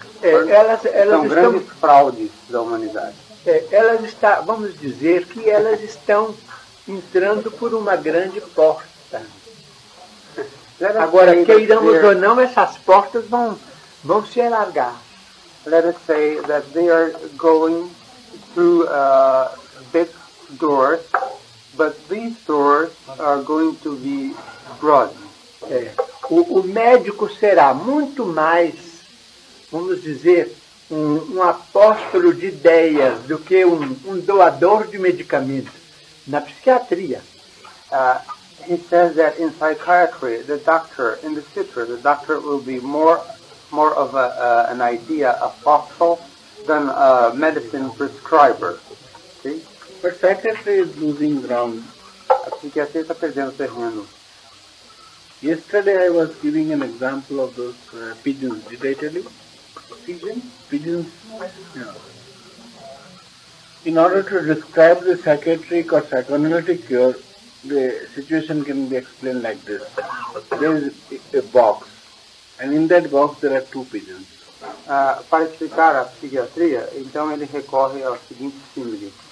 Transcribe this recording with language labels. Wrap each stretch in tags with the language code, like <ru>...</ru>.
<pt>São grandes fraudes da humanidade. Vamos dizer que elas estão entrando por uma grande porta. Agora, queiramos ou não, essas portas vão se alargar.</pt> <en>Let us say that they are going through big doors, but these doors are going to be broad.</en> <pt>O médico será muito mais, vamos dizer, um apóstolo de ideias do que um doador de medicamentos na psiquiatria.</pt> <en>He says that in psychiatry, the doctor, in the future, the doctor will be more of an idea, a fossil, than a medicine prescriber. See? But secretary is losing ground.</en> <pt>A psiquiatria está perdendo terreno.</pt> <en>Yesterday I was giving an example of those pigeons. Did I tell you? Pigeons? Pigeons? No. In order to describe the psychiatric or psychoanalytic cure, the situation can be explained like this. There is a box, and in that box there are two pigeons.</en> <pt>Para explicar a psiquiatria, então ele recorre ao seguinte símile.</pt>